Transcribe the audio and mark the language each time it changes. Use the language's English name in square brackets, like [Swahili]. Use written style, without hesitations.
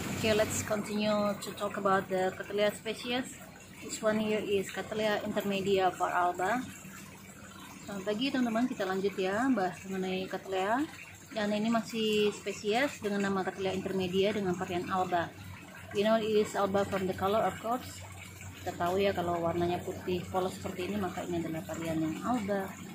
[English] Okay, let's continue to talk about the Cattleya species. This one here is Cattleya intermedia for Alba. [Indonesian] Selamat pagi teman-teman, kita lanjut ya bahas mengenai Cattleya. Dan ini masih spesies dengan nama Cattleya intermedia dengan varian Alba. [English] You know it is Alba from the color, of course. [Indonesian] Kita tahu ya kalau warnanya putih polos seperti ini maka ini adalah varian yang Alba.